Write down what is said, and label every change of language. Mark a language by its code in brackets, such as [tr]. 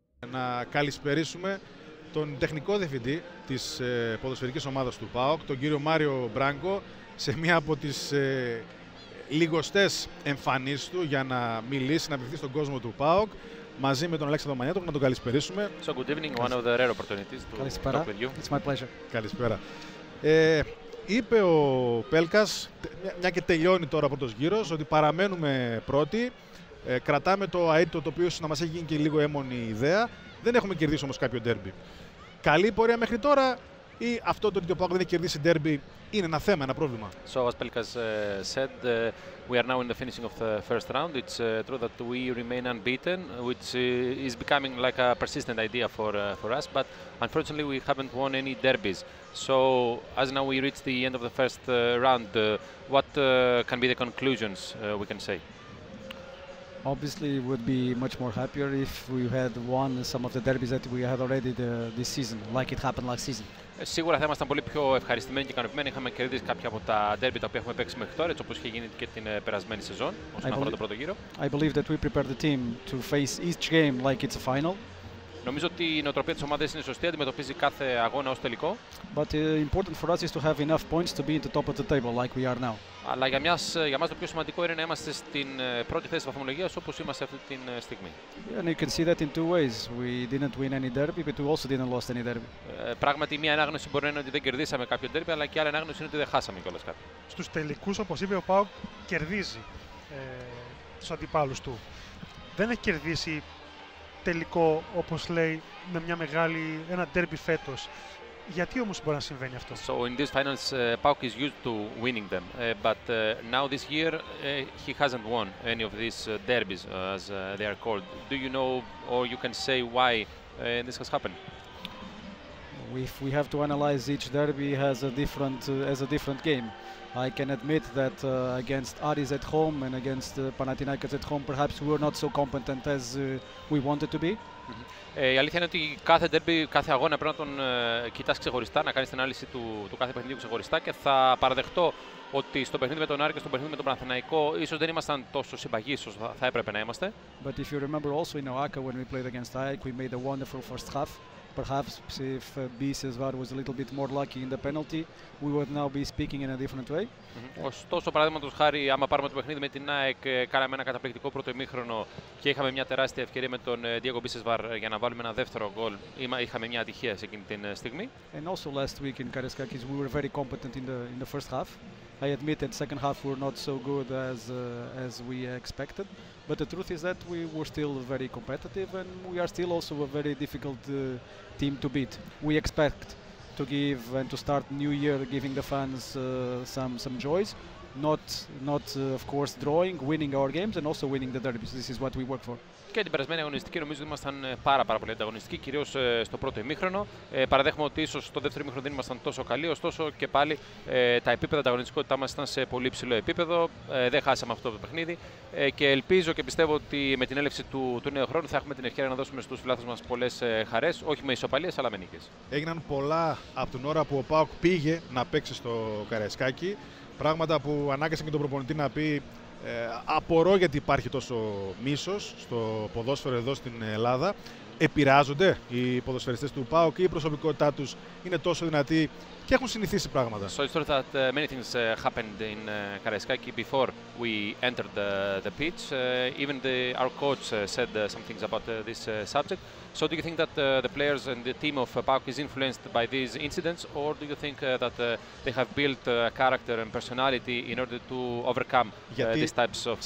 [el] να καλησπερίσουμε τον τεχνικό διευθυντή της ποδοσφαιρικής ομάδας του ΠΑΟΚ, τον κύριο Μάριο Μπράγκο, σε μία από τις λιγοστές εμφανίσεις του για να μιλήσει, να απευθυνθεί στον κόσμο του ΠΑΟΚ, μαζί με τον Αλέξανδρο Μανιάτο, να τον καλησπερίσουμε. [en] So good evening, one of the rare opportunities to talk with you. It's my pleasure. [el] Καλησπέρα. Είπε ο Πέλκας, μια και τελειώνει τώρα ο πρώτος γύρος, ότι παραμένουμε πρώτοι. Κρατάμε το αίτητο, το οποίο να μας έχει γίνει και λίγο έμμονη ιδέα. Δεν έχουμε κερδίσει όμως κάποιο ντέρμπι. Καλή πορεία μέχρι τώρα, ή αυτό το ότι ο ΠΑΟΚ δεν έχει κερδίσει ντέρμπι είναι ένα θέμα, ένα πρόβλημα? [en] So as Pelkas said, we are now in the finishing of the first round. It's true that we remain unbeaten, which is becoming like a persistent idea for us. But unfortunately, we haven't won any derbies. So as now we reach the end of the first round, what can be the conclusions we can say? Obviously, we would be much more happier if we had won some of the derbies that we had already this season, like it happened last season. [el] Σίγουρα θα ήμασταν πολύ πιο ευχαριστημένοι και ικανοποιημένοι. Είχαμε κερδίσει κάποια από τα ντέρμπι τα οποία έχουμε παίξει μέχρι τώρα, όπως είχε γίνει και την περασμένη σεζόν, όσον αφορά το πρώτο γύρο. [en] I believe that we prepare the team to face each game like it's a final. [el] Νομίζω ότι η νοοτροπία της ομάδας είναι σωστή, αντιμετωπίζει κάθε αγώνα ως τελικό. [en] But important for us is to have enough points to be in the top of the table like we are now. [el] Αλλά για μας το πιο σημαντικό είναι να είμαστε στην πρώτη θέση της βαθμολογίας όπως είμαστε αυτή τη στιγμή. [en] And you can see that in two ways. We didn't win any derby, but we also didn't lost any derby. [el] Πράγματι, μία ανάγνωση μπορεί να είναι ότι δεν κερδίσαμε κάποιο derby, αλλά και άλλη ανάγνωση είναι ότι δεν χάσαμε κιόλας κάτι. Στους τελικούς, όπως είπε ο ΠΑΟΚ, κερδίζει τους αντιπάλους του. Δεν έχει κερδίσει τελικό, όπως λέει, με μια μεγάλη, ένα derby φέτος. Γιατί όμως μπορεί να συμβαίνει αυτό? [en] So in these finals, ΠΑΟΚ is used to winning them, but now this year he hasn't won any of these derbies, as they are called. Do you know, or you can say why this has happened? If we have to analyze each derby as a different game, I can admit that against Aris at home and against Panathinaikos at home, perhaps we were not so competent as we wanted to be. [el] Η αλήθεια είναι ότι κάθε derby, κάθε αγώνα πρέπει να τον κοιτάς ξεχωριστά, να κάνεις την ανάλυση του κάθε παιχνιδιού ξεχωριστά, και θα παραδεχτώ ότι στο παιχνίδι με τον Άρη και στο παιχνίδι με τον Παναθηναϊκό ίσως δεν ήμασταν τόσο συμπαγείς όσο θα έπρεπε να είμαστε. [en] But if you remember also in Oaka when we played against AEK, we made a wonderful first half. Perhaps if Bisesvar was a little bit more lucky in the penalty, we would now be speaking in a different way. [el] Ωστόσο, παραδείγματος χάρη, άμα πάρουμε το παιχνίδι με την ΑΕΚ, κάναμε ένα καταπληκτικό πρώτο ημίχρονο και είχαμε μια τεράστια ευκαιρία με τον Diego Bisesvar για να βάλουμε ένα δεύτερο γκολ. Είχαμε μια ατυχία σε εκείνη την στιγμή. [en] And also last week in Karaiskakis, we were very competent in the first half. I admit that second half were not so good as we expected. But the truth is that we were still very competitive and we are still also a very difficult team to beat. We expect to give and to start new year giving the fans some joys, not of course drawing, winning our games and also winning the derbies. This is what we work for. [el] Και την περασμένη αγωνιστική νομίζω ότι ήμασταν πάρα πολύ ανταγωνιστικοί, κυρίως στο πρώτο ημίχρονο. Παραδέχομαι ότι ίσως στο δεύτερο ημίχρονο δεν ήμασταν τόσο καλοί, ωστόσο και πάλι τα επίπεδα ανταγωνιστικότητά μας ήταν σε πολύ υψηλό επίπεδο. Δεν χάσαμε αυτό το παιχνίδι και ελπίζω και πιστεύω ότι με την έλευση του νέου χρόνου θα έχουμε την ευκαιρία να δώσουμε στους φιλάθλους μας πολλές χαρές, όχι με ισοπαλίες αλλά με νίκες. Έγιναν πολλά από την ώρα που ο ΠΑΟΚ πήγε να παίξει στο Καραϊσκάκι, πράγματα που ανάγκασαν και τον προπονητή να πει. Απορώ γιατί υπάρχει τόσο μίσος στο ποδόσφαιρο εδώ στην Ελλάδα. Επηρεάζονται οι ποδοσφαιριστές του ΠΑΟΚ ή η προσωπικότητά τους είναι τόσο δυνατή και έχουν συνηθίσει πράγματα? [en] So it's true that many things happened in Karaiskaki before we entered the pitch. Even our coach said some things about this subject. So do you think that the players and the team of ΠΑΟΚ is influenced by these incidents, or do you think that they have built character and personality in order to overcome these types of difficulties?